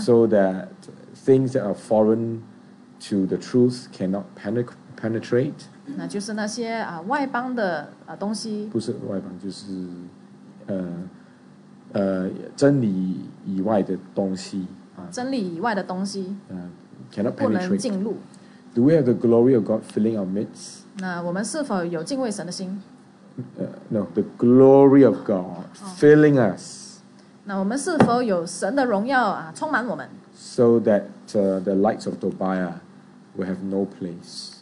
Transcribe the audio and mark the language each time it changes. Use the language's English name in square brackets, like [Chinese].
[English] ？So that things that are foreign to the truth cannot penetrate. [Chinese] 那就是那些外邦的东西。不是外邦，就是真理以外的东西。真理以外的东西。 [English] Cannot penetrate. [Chinese] 不能进入。 [English] Do we have the glory of God filling our midst? [Chinese] 那我们是否有敬畏神的心 [English] ？No, the glory of God filling us. [Chinese] 那我们是否有神的荣耀充满我们 [English] ？So that the lights of Tobiah will have no place.